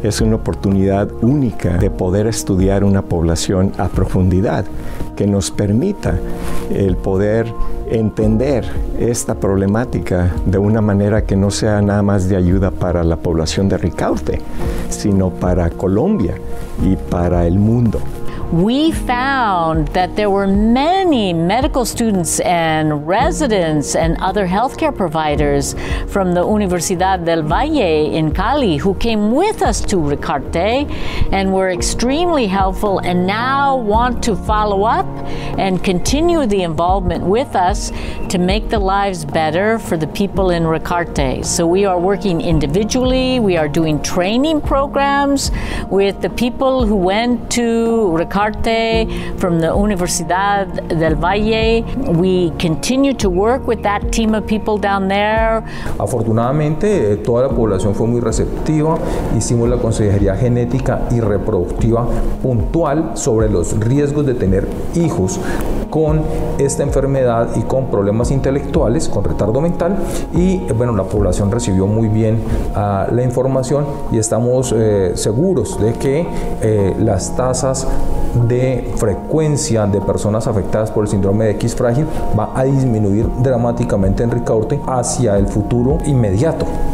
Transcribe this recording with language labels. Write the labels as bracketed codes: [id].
[es] Es una oportunidad única de poder estudiar una población a profundidad que nos permita el poder entender esta problemática de una manera que no sea nada más de ayuda para la población de Ricaurte, sino para Colombia y para el mundo. [en] We found that there were many medical students and residents and other healthcare providers from the Universidad del Valle in Cali who came with us to Ricaurte and were extremely helpful and now want to follow up and continue the involvement with us to make the lives better for the people in Ricaurte. So we are working individually, we are doing training programs with the people who went to Ricaurte from the Universidad del Valle. We continue to work with that team of people down there. [es] Afortunadamente, toda la población fue muy receptiva. Hicimos la consejería genética y reproductiva puntual sobre los riesgos de tener hijos con esta enfermedad y con problemas intelectuales, con retardo mental. Y bueno, la población recibió muy bien la información y estamos seguros de que las tasas de frecuencia de personas afectadas por el síndrome de X frágil va a disminuir dramáticamente en Ricaurte hacia el futuro inmediato.